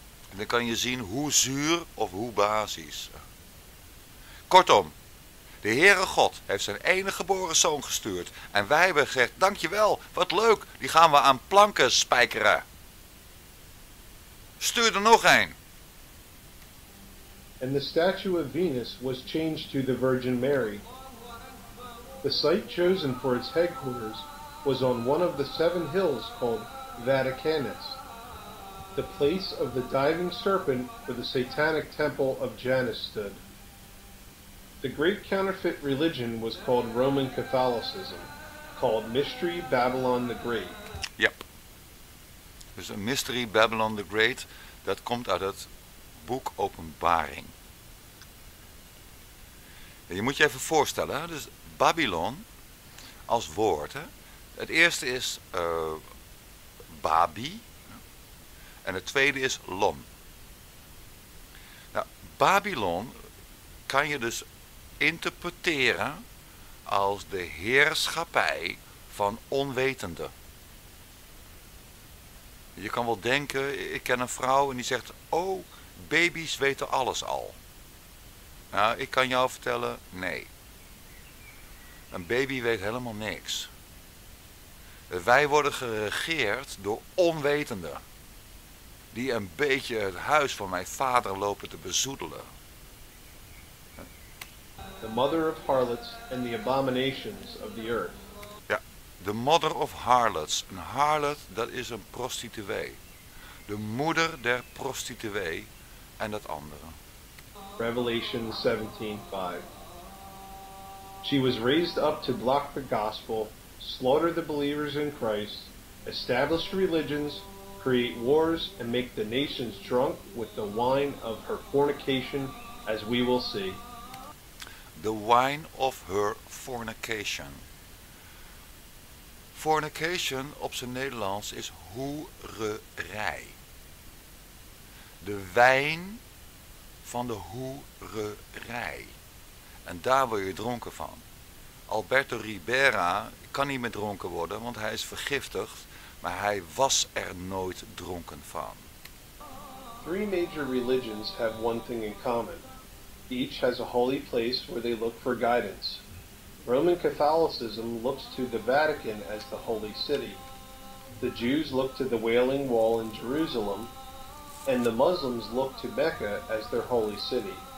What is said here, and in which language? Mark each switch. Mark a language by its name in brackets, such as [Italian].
[Dutch] En dan kan je zien hoe zuur of hoe basis. Kortom, de Heere God heeft zijn enige geboren zoon gestuurd. En wij hebben gezegd, dankjewel, wat leuk, die gaan we aan planken spijkeren. Stuur er nog een. [English] And the statue of Venus was changed to the Virgin Mary. The site chosen for its headquarters was on one of the seven hills called Vaticanus, the place of the diving serpent where the satanic temple of Janus stood. The great counterfeit religion was called Roman Catholicism, called Mystery Babylon the Great. Yep. There's a Mystery Babylon the Great that comes out of the book Openbaring. [Dutch] Je moet je even voorstellen, dus Babylon als woord. Hè. Het eerste is Babi en het tweede is Lom. Nou, Babylon kan je dus interpreteren als de heerschappij van onwetenden. Je kan wel denken, ik ken een vrouw en die zegt, oh, baby's weten alles al. Nou, ik kan jou vertellen, nee. Een baby weet helemaal niks. Wij worden geregeerd door onwetenden. Die een beetje het huis van mijn vader lopen te bezoedelen. [English] The mother of harlots and the abominations of the earth. Ja, the mother of harlots. [Dutch] Een harlot, dat is een prostituee. De moeder der prostituee en dat andere. [English] Revelation 17:5. She was raised up to block the gospel, slaughter the believers in Christ, establish religions, create wars, and make the nations drunk with the wine of her fornication, as we will see. The wine of her fornication. [Dutch] Fornication op zijn Nederlands is hoererij. De wijn van de hoererij. En daar word je dronken van. Alberto Ribera kan niet meer dronken worden, want hij is vergiftigd, maar hij was er nooit dronken van. [English] Three major religions have one thing in common. Each has a holy place where they look for guidance. Roman Catholicism looks to the Vatican as the holy city. The Jews look to the Wailing Wall in Jerusalem. And the Muslims look to Mecca as their holy city.